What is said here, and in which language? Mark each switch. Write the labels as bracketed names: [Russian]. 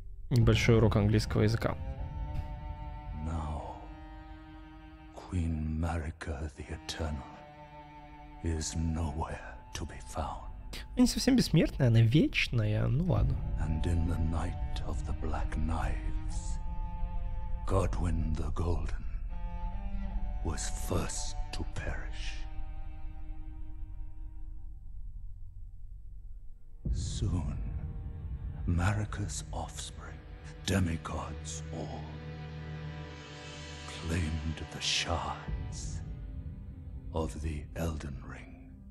[Russian] Небольшой урок английского языка. [English] Now, Queen Marika the Eternal is nowhere to be found. [Russian] Ну, не совсем бессмертная, она вечная, ну ладно. [English] And in the night of the black knives, Godwin the Golden was first to perish. Soon, Marika's offspring, demigods all, claimed the shards of the Elden Ring.